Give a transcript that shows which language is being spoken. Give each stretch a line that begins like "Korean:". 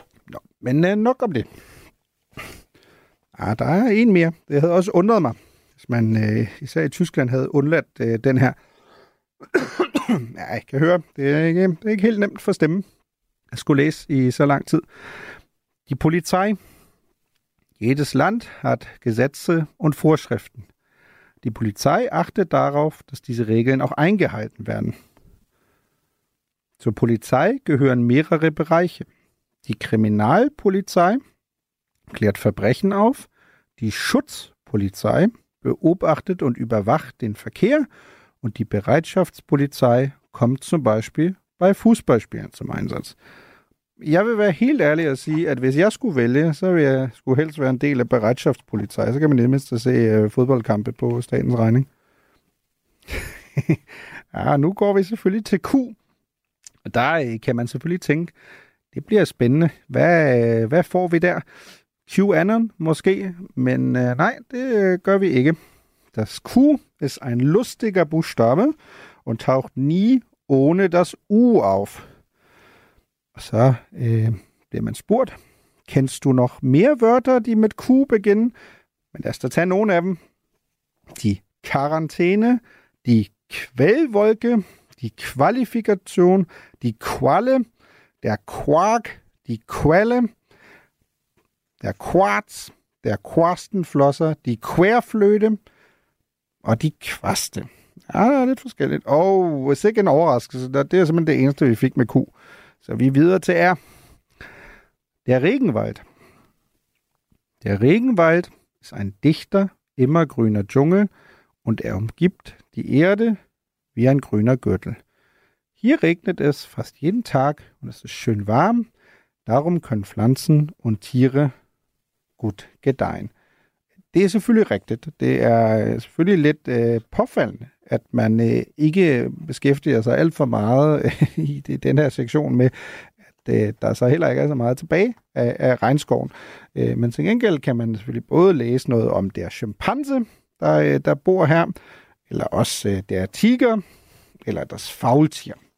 Danish: Nå, men nok om det. Ah, der er en mere. Det havde også undret mig, hvis man især i Tyskland havde undladt den her. Ja, jeg kan høre, det er ikke helt nemt for stemmen at skulle læse i så lang tid.
German: Die Polizei. Jedes Land hat Gesetze und Vorschriften. Die Polizei achtet darauf, dass diese Regeln auch eingehalten werden. Zur Polizei gehören mehrere Bereiche. Die Kriminalpolizei klärt Verbrechen auf. Die Schutzpolizei beobachtet und überwacht den Verkehr. Und die Bereitschaftspolizei kommt zum Beispiel bei Fußballspielen zum Einsatz.
Danish: Jeg vil være helt ærlig at sige, at hvis jeg skulle vælge, så ville jeg skulle helst være en del af Bereitschaftspolizei. Så kan man nemlig se fodboldkampe på statens regning. Ja, nu går vi selvfølgelig til Q. Og der kan man selvfølgelig tænke, det bliver spændende. Hvad får vi der? QAnon måske, men nej, det gør vi ikke.
German: Das Q ist ein lustiger Buchstabe und taucht nie ohne das U auf. So, wenn man spurt, kennst du noch mehr Wörter, die mit Q beginnen? Wenn das der Zernon haben. Die Quarantäne, die Quellwolke, die Qualifikation, die Qualle, der Quark, die Quelle, der Quarz, der Quastenflosser, die Querflöte, og de kvaste.
Danish: Ja, det er lidt forskelligt. Og hvis ikke en overraskelse, det er simpelthen det eneste, vi fik med Q. Så vi videre til R. Der Regenwald.
German: Der Regenwald ist ein dichter, immergrüner Dschungel und er umgibt die Erde wie ein grüner Gürtel. Hier regnet es fast jeden Tag und es ist schön warm. Darum können Pflanzen und Tiere gut gedeihen.
Danish: Det er selvfølgelig rigtigt. Det er selvfølgelig lidt påfaldende, at man ikke beskæftiger sig alt for meget i den her sektion med, at der så heller ikke er så meget tilbage af regnskoven. Men til gengæld kan man selvfølgelig både læse noget om der chimpanse, der bor her, eller også der tiger, eller deres faultier.